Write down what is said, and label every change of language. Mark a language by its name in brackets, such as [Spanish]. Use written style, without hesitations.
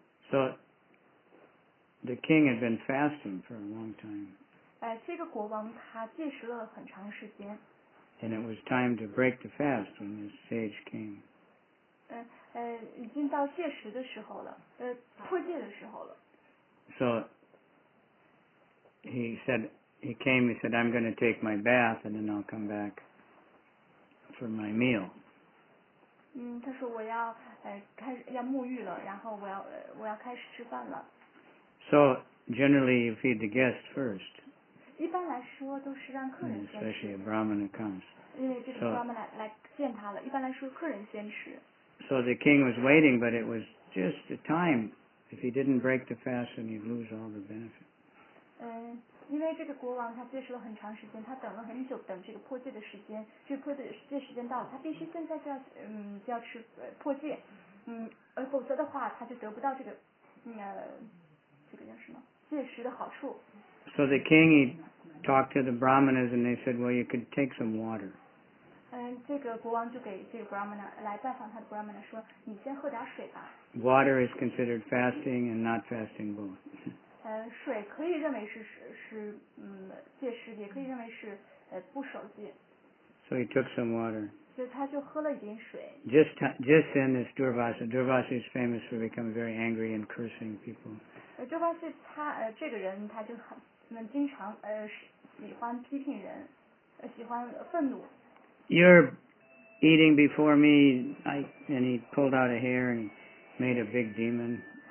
[English] So the king had been fasting for a long time. [Chinese] 这个国王他戒食了很长时间。 [English] And it was time to break the fast when this sage came. [Chinese] 已经到戒食的时候了，破戒的时候了。 [English] So he said, he came, he said, I'm going to take my bath and then I'll come back for my meal. [Chinese] 他说我要开始要沐浴了，然后我要开始吃饭了。 [English] So generally you feed the guest first. [Chinese] 一般来说都是让客人先吃。 [English] Especially a Brahmana comes. [Chinese] 因为这个 Brahmana 来见他了，一般来说客人先吃。 [English] So the king was waiting, but it was just the time. If he didn't break the fast, then he'd lose all the benefit. [Chinese] 因为这个国王他戒食了很长时间，他等了很久，等这个破戒的时间，这个破戒时间到了，他必须现在就要就要吃破戒，否则的话他就得不到这个这个叫什么戒食的好处。 [English] So the king he talked to the brahmanas and they said, well, you could take some water. [Chinese] 这个国王就给这个 brahmana 来拜访他的 brahmana 说，你先喝点水吧。 [English] Water is considered fasting and not fasting both. [Chinese] 水可以认为是戒食，也可以认为是不守戒。 [English] So he took some water. [Chinese] 所以他就喝了一点水。 [English] Just then, this Durvasa is famous for becoming very angry and cursing people. [Chinese] 周巴是他这个人他就很经常喜欢批评人，喜欢愤怒。 [English] You're eating before me, and he pulled out a hair and made a big demon.